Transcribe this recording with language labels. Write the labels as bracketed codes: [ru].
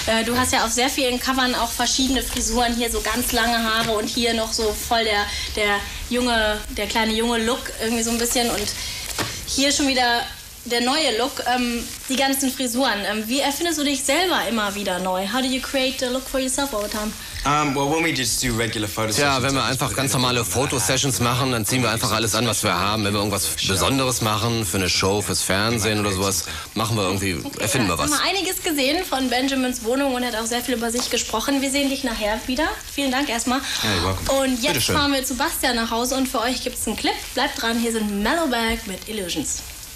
[de] Du hast ja auf sehr vielen Covern auch verschiedene Frisuren. Hier so ganz lange Haare und hier noch so voll der kleine junge Look irgendwie so ein bisschen. Und hier schon wieder der neue Look, die ganzen Frisuren. Wie erfindest du dich selber immer wieder neu? [en] How do you create the look for yourself all the time? [de] Tja, wenn wir einfach ganz normale Fotosessions machen, dann ziehen wir einfach alles an, was wir haben. Wenn wir irgendwas Besonderes machen, für eine Show, fürs Fernsehen oder sowas, machen wir irgendwie, erfinden wir was. Wir haben einiges gesehen von Benjamins Wohnung und er hat auch sehr viel über sich gesprochen. Wir sehen dich nachher wieder. Vielen Dank erstmal. Und jetzt fahren wir zu Bastian nach Hause und für euch gibt es einen Clip. Bleibt dran, hier sind Mellowback mit Illusions.